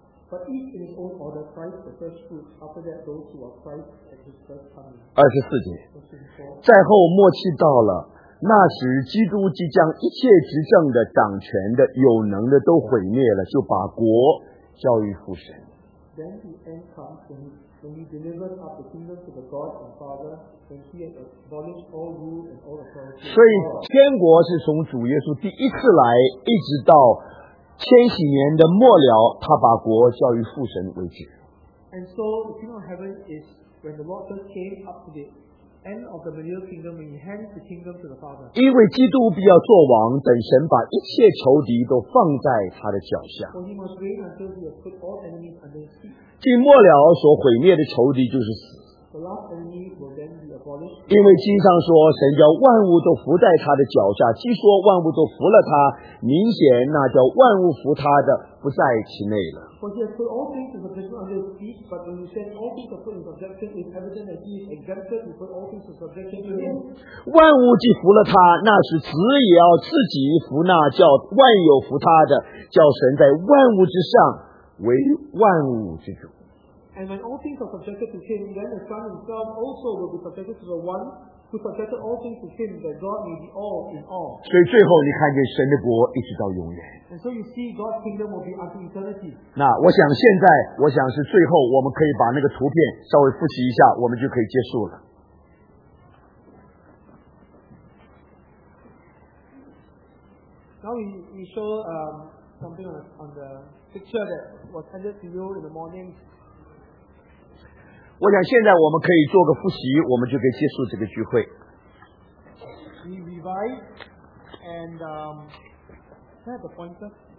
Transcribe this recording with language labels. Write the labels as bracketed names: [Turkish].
[Chinese] 二十四节。在后末期到了，那时基督即将一切执政的、掌权的、有能的都毁灭了，就把国交于父神。 [English] Then the end comes when he delivers up the kingdom to the God and Father, when he has abolished all rule and all authority. [Chinese] 所以天国是从主耶稣第一次来一直到千禧年的末了，他把国交于父神为止。 [English] And so the kingdom of heaven is when the Lord first came up to the end of the millennial kingdom, when he hands the kingdom to the Father. [Chinese] 因为基督必要做王，等神把一切仇敌都放在他的脚下。 [English] For he must reign until he has put all enemies under his feet. [Chinese] 进末了所毁灭的仇敌就是死。 [English] The last enemy will then be abolished. [Chinese] 因为经上说，神叫万物都伏在他的脚下，既说万物都服了他，明显那叫万物服他的不在其内了。 [English] For he has put all things in subjection under his feet, but when he said all things are put in subjection, it's evident that he is exempted to put all things in subjection to him. [Chinese] 万物既服了他，那是子也要自己服那叫万有服他的，叫神在万物之上为万物之主。 [English] And when all things are subjected to him, then the Son himself also will be subjected to the one who subjected all things to him, that God may be all in all. [Chinese] 所以最后你看见神的国一直到永远。 [English] And so you see God's kingdom will be unto eternity. [Chinese] 那我想现在，我想是最后，我们可以把那个图片稍微复习一下，我们就可以结束了。 [English] Now we show something on the picture that was handed to you in the morning. [Chinese] 我想现在我们可以做个复习，我们就可以结束这个聚会。 [English] We revise and can I have a pointer?